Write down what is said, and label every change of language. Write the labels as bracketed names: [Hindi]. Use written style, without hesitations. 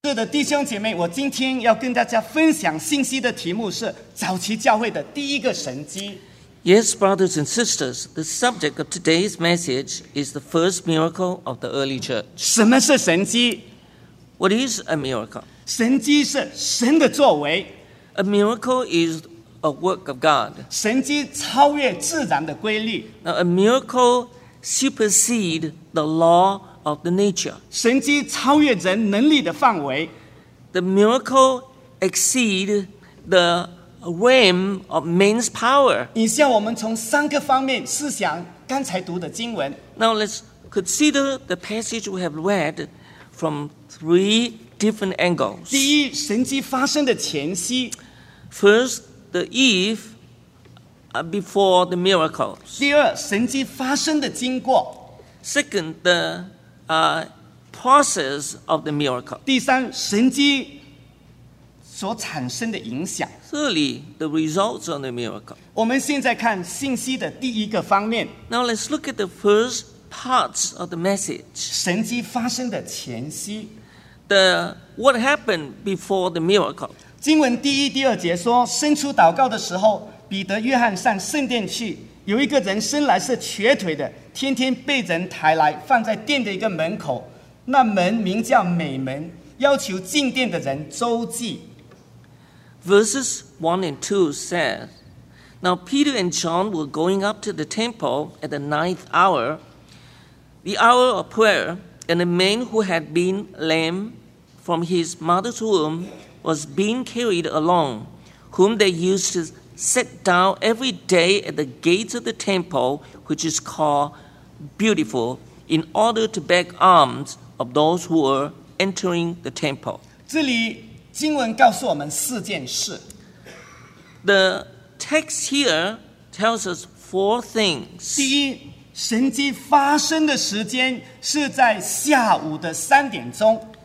[Chinese] 弟兄姐妹，我今天要跟大家分享信息的题目是早期教会的第一个神迹。 [English] Yes, brothers and sisters, the subject of today's message is the first miracle of the early church. [Chinese] 什么是神迹？ [English] What is a miracle? [Chinese] 神迹是神的作为。 [English] A miracle is a work of God. [Chinese] 神迹超越自然的规律。 [English] Now, a miracle supersedes the law of the nature. [Chinese] 神迹超越人能力的范围。 [English] The miracle exceeds the realm of man's power. [Chinese] 以下我们从三个方面思想刚才读的经文。 [English] Now let's consider the passage we have read from three different angles. [Chinese] 第一，神迹发生的前夕。 [English] First, the eve before the miracle. [Chinese] 第二，神迹发生的经过。 [English] Second, theprocess of the miracle. [Chinese] 第三，神迹所产生的影响。 [English] Thirdly, the results of the miracle. [Chinese] 我们现在看信息的第一个方面。 [English] Now let's look at the first parts of the message. [Chinese] 神迹发生的前夕。 [English] The what happened before the miracle. [Chinese] 经文第一、第二节说，伸出祷告的时候，彼得、约翰上圣殿去。有一个人生来是瘸腿的，天天被人抬来，放在殿的一个门口。那门名叫美门，要求进殿的人周济。 [English] Verses 1 and 2 says, Now Peter and John were going up to the temple at the ninth hour, the hour of prayer, and a man who had been lame from his mother's womb was being carried along, whom they used to set down every day at the gates of the temple, which is called Beautiful, in order to beg alms of those who were entering the temple. [Chinese] 这里经文告诉我们四件事。 [English] The text here tells us four things. [Chinese] 第一，神迹发生的时间是在下午的三点钟。